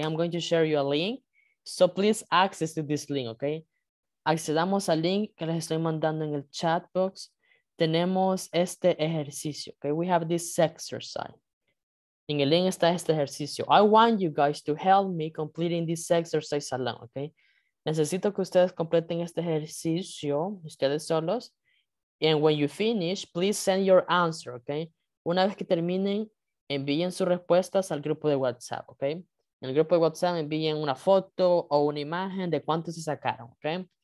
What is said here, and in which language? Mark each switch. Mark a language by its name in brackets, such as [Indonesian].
[English] I'm going to share you a link. So please access to this link, okay? [Spanish] Accedamos al link que les estoy mandando en el chat box. Tenemos este ejercicio, okay? [English] We have this exercise. [Spanish] Ingeling está este ejercicio. [English] I want you guys to help me completing this exercise alone, okay? [Spanish] Necesito que ustedes completen este ejercicio, ustedes solos. [English] And when you finish, please send your answer, okay? [Spanish] Una vez que terminen, envíen sus respuestas al grupo de WhatsApp, okay? En el grupo de WhatsApp envíen una foto o una imagen de cuánto se sacaron, okay?